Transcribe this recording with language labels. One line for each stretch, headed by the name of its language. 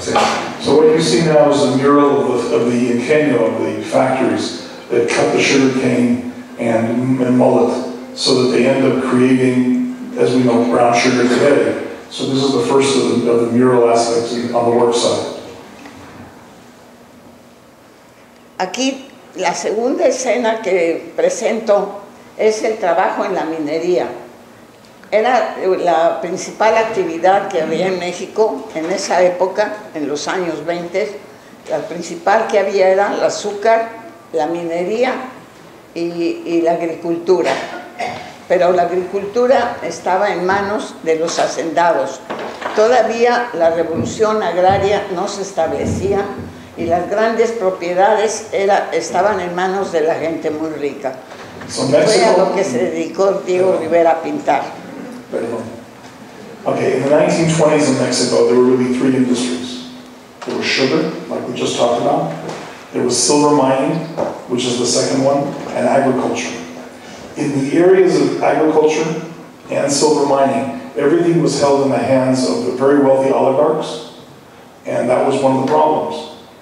English: So what you see now is a mural of the ingenio, of the factories that cut the sugar cane and mullet, so that they end up creating, as we know, brown sugar today. So this is the first of the mural aspects on the work site.
Spanish: Aquí La segunda escena que presento es el trabajo en la minería. Era la principal actividad que había en México en esa época, en los años 20. La principal que había era el azúcar, la minería y la agricultura. Pero la agricultura estaba en manos de los hacendados. Todavía la revolución agraria no se establecía y las grandes propiedades estaban en manos de la gente muy rica. Fue a lo que se dedicó Diego Rivera a pintar. Perdón.
English: Okay, in the 1920s in Mexico, there were really three industries. There was sugar, like we just talked about. There was silver mining, which is the second one, and agriculture. In the areas of agriculture and silver mining, everything was held in the hands of the very wealthy oligarchs, and that was one of the problems.